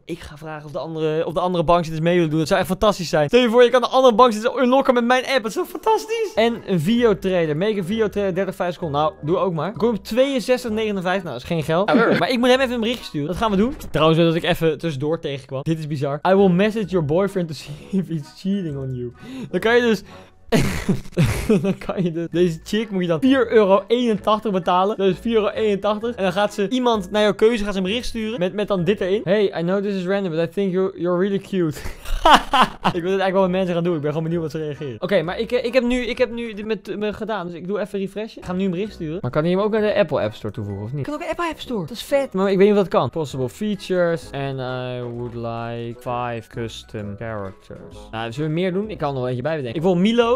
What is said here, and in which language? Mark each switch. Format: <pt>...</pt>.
<nl>Ik ga vragen of de andere bankzitters mee willen doen. Dat zou echt fantastisch zijn. Stel je voor, je kan de andere bankzitters unlocken met mijn app. Dat zou fantastisch. En een video trader. Make een video trader 35 seconden. Nou, doe ook maar. Ik kom op 62,59. Nou, dat is geen geld. Maar ik moet hem even een berichtje sturen. Dat gaan we doen. Trouwens, dat ik even tussendoor tegenkwam. Dit is bizar.</nl> <en>I will message your boyfriend to see if he's cheating on you.</en> <nl>Dan kan je dus... dan kan je dus... Deze chick moet je dan 4,81 euro betalen. Dat is 4,81 euro. En dan gaat ze iemand naar jouw keuze, gaat ze een bericht sturen. Met dan dit erin.</nl> <en>Hey, I know this is random, but I think you're really cute.</en> <nl>Ik wil dit eigenlijk wel met mensen gaan doen. Ik ben gewoon benieuwd wat ze reageren. Oké, maar ik heb nu dit met me gedaan. Dus ik doe even refreshen. Ik ga hem nu een bericht sturen. Maar kan hij hem ook naar de Apple App Store toevoegen, of niet? Ik kan ook een Apple App Store. Dat is vet. Maar ik weet niet of dat kan.</nl> <en>Possible features. And I would like 5 custom characters.</en> <nl>Nou, zullen we meer doen? Ik kan er wel eentje bij bedenken. Ik wil Milo.</nl>